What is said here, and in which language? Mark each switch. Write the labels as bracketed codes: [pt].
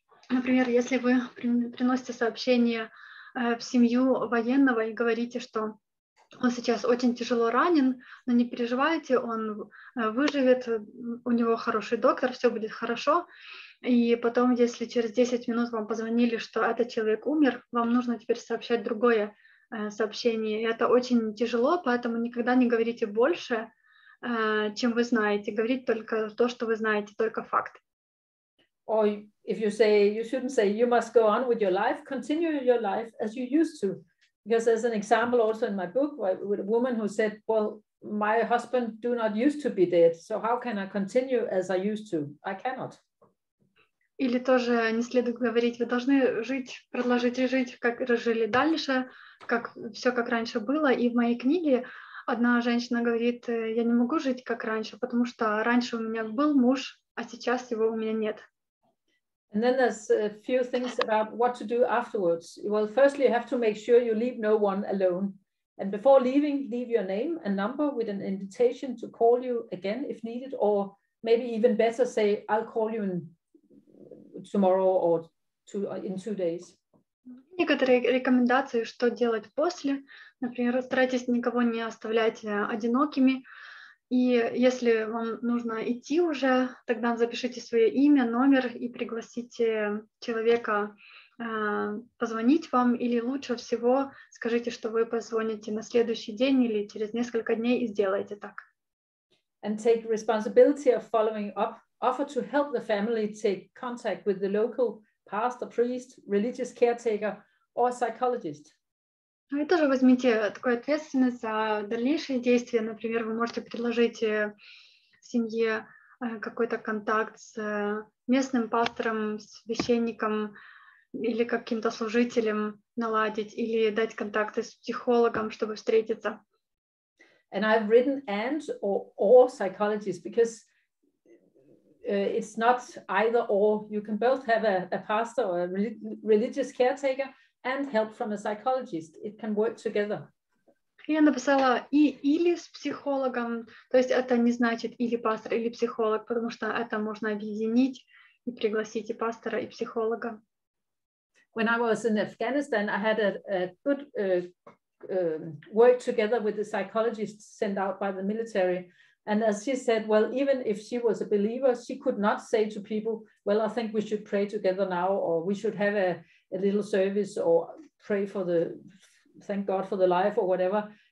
[ru] Например, если вы приносите сообщение в семью военного и говорите, что он сейчас очень тяжело ранен, но не переживайте, он выживет, у него хороший доктор, все будет хорошо. И потом, если через 10 минут вам позвонили, что этот человек умер, вам нужно теперь сообщать другое сообщение. И это очень тяжело, поэтому никогда не говорите больше, чем вы знаете. Говорить только то, что вы знаете, только факт. [en] Or if you say, you shouldn't say, you must go on with your life, continue your life as you used to. Because there's an example also in my book with a woman who said, well, my husband do not used to be dead, so how can I continue as I used to? I cannot. [ru] Или тоже не следует говорить, вы должны жить, продолжить жить, как жили дальше, как все как раньше было. И в моей книге одна женщина говорит, я не могу жить как раньше, потому что раньше у меня был муж, а сейчас его у меня нет. [en] And then there's a few things about what to do afterwards. Well, firstly, you have to make sure you leave no one alone. And before leaving, leave your name and number with an invitation to call you again if needed, or maybe even better say, I'll call you tomorrow or in 2 days. [ru] Некоторые рекомендации, что делать после. Например, старайтесь никого не оставлять одинокими. И если вам нужно идти уже, тогда запишите свое имя, номер и пригласите человека позвонить вам. Или лучше всего скажите, что вы позвоните на следующий день или через несколько дней и сделайте так. [en] And take responsibility of following up. Offer to help the family take contact with the local pastor, priest, religious caretaker or psychologist. [ru] Вы тоже возьмите такую ответственность за дальнейшие действия. Например, вы можете предложить семье какой-то контакт с местным пастором, священником или каким-то служителем наладить, или дать контакты с психологом, чтобы встретиться. [en] And I've written and or psychologist, because it's not either or. You can both have a pastor or a religious caretaker and help from a psychologist. It can work together. [ru] Я написала и или с психологом, то есть это не значит или пастор, или психолог, потому что это можно объединить и пригласить и пастора, и психолога. [en] When I was in Afghanistan, I had a good work together with the psychologist sent out by the military. And as she said, well, even if she was a believer, she could not say to people, well, I think we should pray together now, or we should have a little service or pray for the, thank God for the life or whatever.